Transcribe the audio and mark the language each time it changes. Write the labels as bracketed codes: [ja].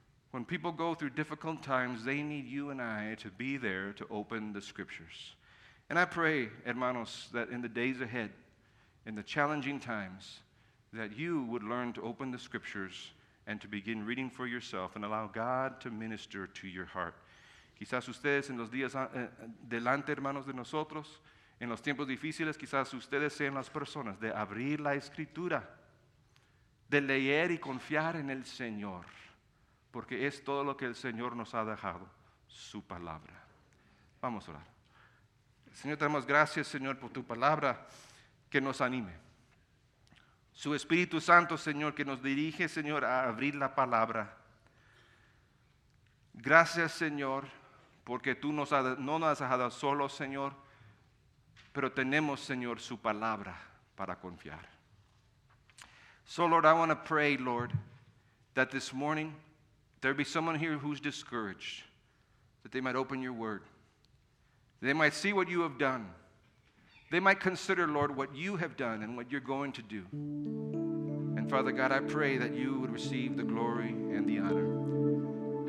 [en] When people go through difficult times, they need you and I to be there to open the scriptures. And I pray, hermanos, that in the days ahead, in the challenging times, that you would learn to open the scriptures and to begin reading for yourself and allow God to minister to your heart. [es] Quizás ustedes en los días delante, hermanos, de nosotros, en los tiempos difíciles, quizás ustedes sean las personas de abrir la Escritura, de leer y confiar en el Señor, porque es todo lo que el Señor nos ha dejado, su palabra. Vamos a orar. Señor, te damos gracias, Señor, por tu palabra que nos anime. Su Espíritu Santo, Señor, que nos dirige, Señor, a abrir la palabra. Gracias, Señor, porque tú no nos has dejado solos, Señor, pero tenemos, Señor, su palabra para confiar. [en] So, Lord, I want to pray, Lord, that this morning there be someone here who's discouraged, that they might open your word. They might see what you have done. They might consider, Lord, what you have done and what you're going to do. And Father God, I pray that you would receive the glory and the honor.